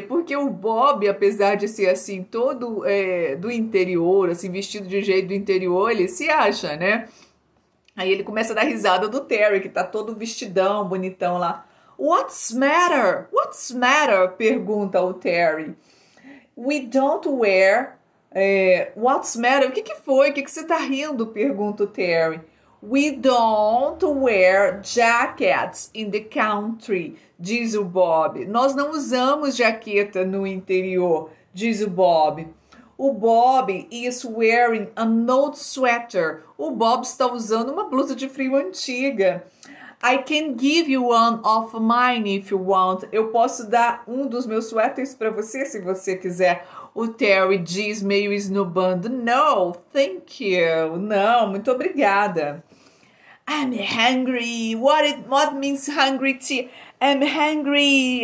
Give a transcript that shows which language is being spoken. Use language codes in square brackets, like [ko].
[pt] Porque o Bob, apesar de ser assim, todo do interior, assim, vestido de jeito do interior, ele se acha, né? Aí ele começa a dar risada do Terry, que tá todo vestidão, bonitão lá. [en] What's matter? What's matter? [pt] Pergunta o Terry. [en] We don't wear. What's matter? [pt] O que que foi? O que que você tá rindo? Pergunta o Terry. [en] We don't wear jackets in the country, [pt] diz o Bob. Nós não usamos jaqueta no interior, diz o Bob. [en] O Bob is wearing an old sweater. [pt] O Bob está usando uma blusa de frio antiga. [en] I can give you one of mine if you want. [pt] Eu posso dar um dos meus suéteres para você se você quiser. O Terry diz, meio esnobando. [en] No, thank you. [pt] Não, muito obrigada. [en] I'm hungry. What means hungry tea? I'm hungry.